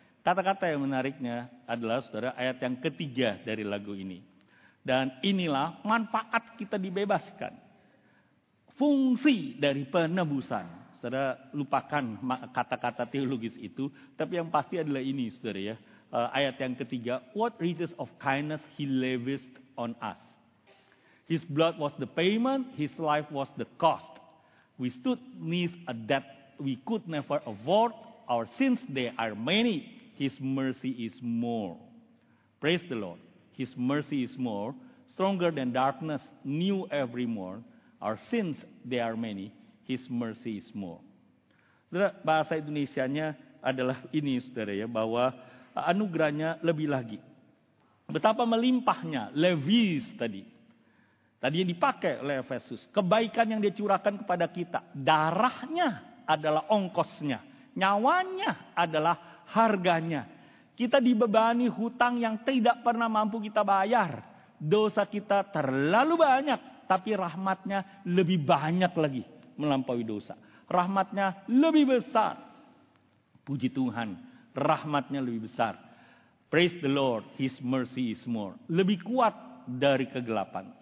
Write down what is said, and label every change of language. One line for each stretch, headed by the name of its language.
Indonesian: Kata-kata yang menariknya adalah, saudara, ayat yang ketiga dari lagu ini. Dan inilah manfaat kita dibebaskan. Fungsi dari penebusan. Saudara, lupakan kata-kata teologis itu. Tapi yang pasti adalah ini, saudara ya. Ayat yang ketiga,
English: what riches of kindness He lavished on us. His blood was the payment, His life was the cost. We stood beneath a debt we could never afford. Our sins, they are many. His mercy is more. Praise the Lord. His mercy is more, stronger than darkness, new every morn. Our sins, they are many. His mercy is more.
Indonesian: Bahasa Indonesianya adalah ini, saudara ya, bahwa anugerahnya lebih lagi. Betapa melimpahnya levies tadi. Tadinya dipakai oleh Efesus. Kebaikan yang dia curahkan kepada kita. Darahnya adalah ongkosnya. Nyawanya adalah harganya. Kita dibebani hutang yang tidak pernah mampu kita bayar. Dosa kita terlalu banyak. Tapi rahmatnya lebih banyak lagi melampaui dosa. Rahmatnya lebih besar. Puji Tuhan. Rahmatnya lebih besar.
English: Praise the Lord, His mercy is more.
Indonesian: Lebih kuat dari kegelapan.